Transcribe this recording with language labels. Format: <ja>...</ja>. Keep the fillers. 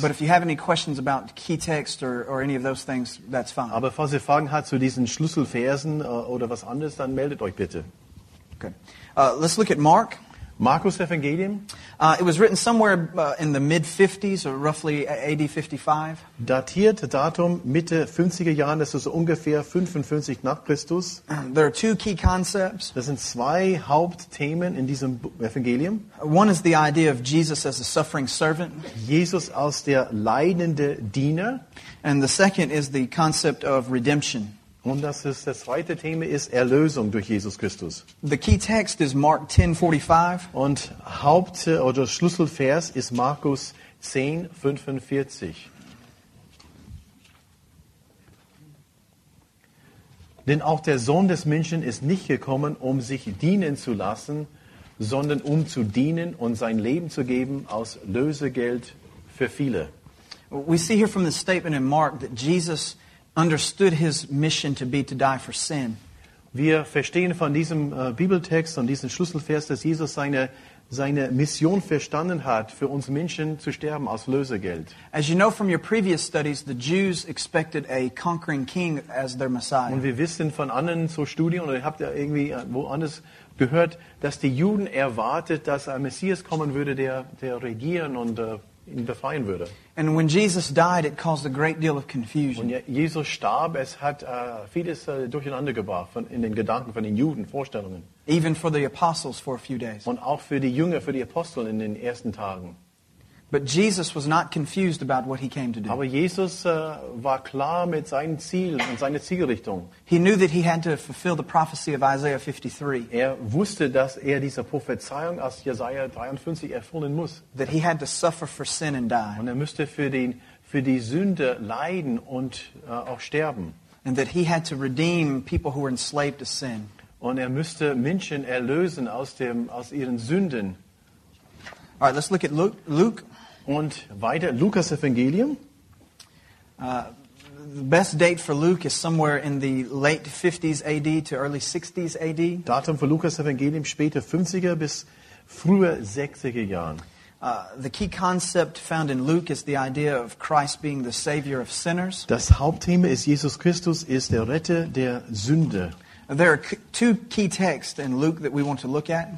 <en>But if you have any questions about key text or, or any of those things, that's fine.</en> <de>Aber falls ihr Fragen habt zu diesen Schlüsselversen uh, oder was anderes, dann meldet euch bitte.</de> <en>Okay. Uh, let's look at Mark.</en> <de>Markus Evangelium?</de> <en>Uh, it was written somewhere in the mid 50s, or roughly AD 55.</en> <de>Datiert Datum Mitte 50er Jahren, das ist ungefähr fünfundfünfzig nach Christus.</de> <en>There are two key concepts.</en> <de>Das sind zwei Hauptthemen in diesem Evangelium.</de> <en>One is the idea of Jesus as a suffering servant.</en> <de>Jesus als der leidende Diener.</de> <en>And the second is the concept of redemption.</en> <de>Und das ist das zweite Thema ist Erlösung durch Jesus Christus.</de> <en>The key text is Mark 10:45.</en> <de>Und Haupt oder Schlüsselvers ist Markus 10:45. Denn auch der Sohn des Menschen ist nicht gekommen, um sich dienen zu lassen, sondern um zu dienen und sein Leben zu geben aus Lösegeld für viele.</de> <en>We see here from the statement in Mark that Jesus understood his mission to be to die for sin.</en> <de>Wir verstehen von diesem äh, Bibeltext und diesem Schlüsselvers, dass Jesus seine seine Mission verstanden hat, für uns Menschen zu sterben als Lösegeld.</de> <en>As you know from your previous studies, the Jews expected a conquering king as their Messiah.</en> <de>Und wir wissen von anderen so Studien oder habt ihr irgendwie woanders gehört, dass die Juden erwartet, dass ein Messias kommen würde, der der regieren und</de> <en>and when Jesus died, it caused a great deal of confusion.</en> <de>Und Jesus starb, es hat uh, vieles uh, von, in den Gedanken von den Juden, Vorstellungen.</de> <en>Even for the apostles for a few days.</en> <de>Und auch für die Jünger, für die Apostel in den ersten Tagen.</de> <en>But Jesus was not confused about what he came to do.</en> <de>Aber Jesus uh,</de> <en>He knew that he had to fulfill the prophecy of Isaiah 53.</en> <de>Er wusste, er 53</de> <en>That he had to suffer for sin and die.</en> <de>Und er müsste für den für Sünde leiden und uh, auch sterben.</de> <en>And that he had to redeem people who were enslaved to sin.</en> <de>Und er müsste Menschen erlösen aus, dem, aus ihren Sünden.</de> <en>All right, let's look at Luke</en> <de>Und weiter, Lukas Evangelium.</de> <en>Uh, the best date for Luke is somewhere in the late 50s AD to early 60s AD.</en> <de>Datum für Lukas Evangelium spate 50 50er bis fruhe 60 60er Jahren.</de> <en>Uh, the key concept found in Luke is the idea of Christ being the savior of sinners.</en> <de>Das Hauptthema ist Jesus Christus ist der Retter der Sünde.</de> <en>There are two key texts in Luke that we want to look at.</en>